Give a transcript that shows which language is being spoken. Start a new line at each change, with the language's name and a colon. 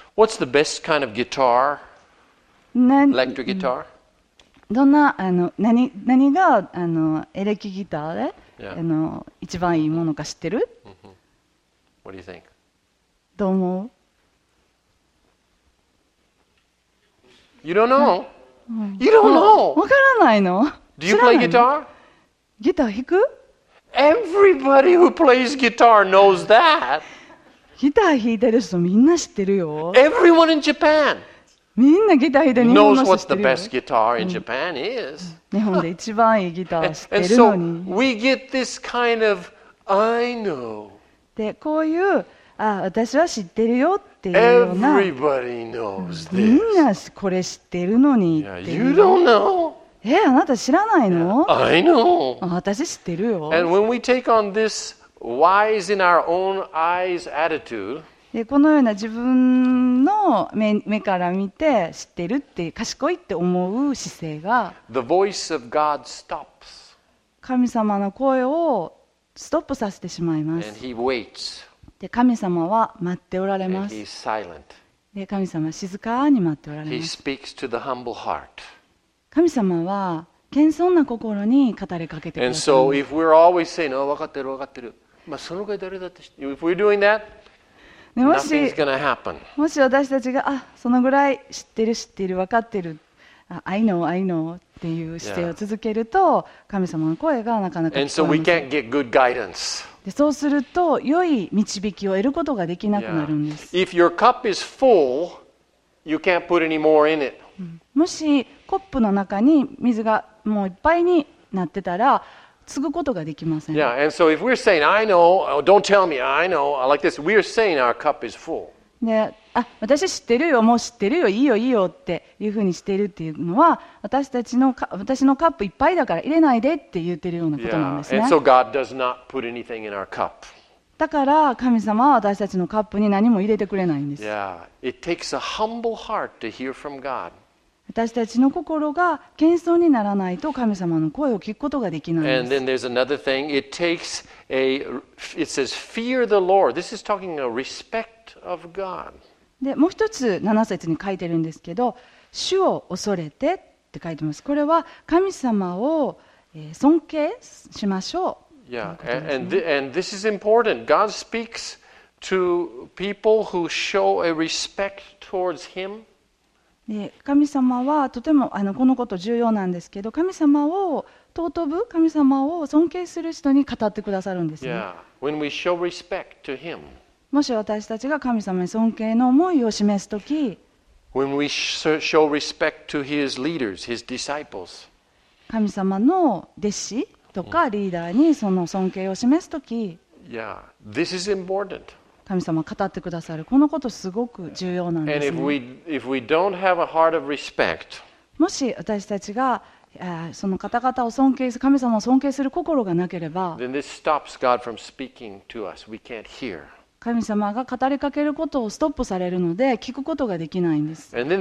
English: what's the best kind of guitar? Electric guitar?
Japanese: どんな何がエレキギターで、
English: yeah.
Japanese: 一番いいものか知ってる？
English: Mm-hmm. What do you think?
Japanese: どう思う？
English: You don't know? You don't know?
Japanese: わからないの？
English: Do you play guitar?
Japanese: ギター弾く？
English: Everybody who plays guitar knows that.
Japanese: ギター弾いてる人みんな知ってるよ。
English: Everyone in Japan
Japanese: みんなギター弾いてる人知ってるよ。
English: Knows what the best is.
Japanese: 日本で一番いいギター知ってるのに。
English: And so we get this kind of I know.
Japanese: でこういう私は知ってるよっていうような。
English: Everybody knows this.
Japanese: みんなこれ知ってるのにっていう。
English: Yeah, you don't know.
Japanese: あなた知らないの？
English: Yeah, I know.
Japanese: 私知ってるよ。
English: And when we take on this. Wise in our own eyes attitude.
Japanese: でこのような自分の 目から見て知ってるって賢いって思う姿勢が
English: The voice of God stops.
Japanese: 神様の声をストップさせてしまいます。
English: And he waits.
Japanese: で神様は待っておられます。
English: And he's silent.
Japanese: で神様は静かに待っておられます。
English: He speaks to the humble heart.
Japanese: 神様は謙遜な心に語りかけてください。
English: And so if we're always saying, oh,
Japanese: 分かってる分かってる、まあ、そのくらい誰だって知ってる。
English: If we're doing that, nothing's gonna happen.
Japanese: もし私たちがそのぐらい知ってる知ってる分かってる、
English: I know, I know
Japanese: っていう姿勢を続けると、yeah. 神様の声がなかなか聞こえません。
English: And so we can't get good guidance.
Japanese: でそうすると良い導きを得ることができなくなるんです。
English: If your cup is full, you can't put any more in it.
Japanese: もしコップの中に水がもういっぱいになってたら注ぐことができません。
English: Yeah, and so if we're saying, I know, don't tell me, I know, like this, we're saying our cup is full.
Japanese: 私知ってるよ、もう知ってるよ、いいよ、いいよっていうふうにしてるっていうのは私のカップいっぱいだから入れないでって言ってるようなことなんですね。
English: Yeah, and so God does not put anything in our cup.
Japanese: だから神様は私たちのカップに何も入れてくれないんです。
English: Yeah, it takes a humble heart to hear from God.
Japanese: 私たちの心が謙遜にならないと神様の声を聞くことができないんです。
English: And then there's another thing. It says fear the Lord. This is talking a respect of God.
Japanese: でもう一つ7節に書いてるんですけど、主を恐れてって書いてます。これは神様を尊敬しましょう。
English: Yeah, and this is important. God speaks to people who show a respect towards Him.
Japanese: 神様はとてもこのこと重要なんですけど、神様を尊ぶ、神様を尊敬する人に語ってくださるんですね。
English: Yeah, when we show respect to Him.
Japanese: もし私たちが神様に尊敬の思いを示すとき、
English: When we show respect to his leaders, his disciples,
Japanese: 神様の弟子とかリーダーにその尊敬を示すとき、
English: Yeah, this is important.
Japanese: 神様語ってくださる。このことすごく重要なんですね。
English: And if we don't have a heart of respect,
Japanese: もし私たちがその方々を尊敬する、神様を尊敬する心がなければ、
English: Then this stops God from speaking to us. We can't hear.
Japanese: 神様が語りかけることをストップされるので聞くことができないんです。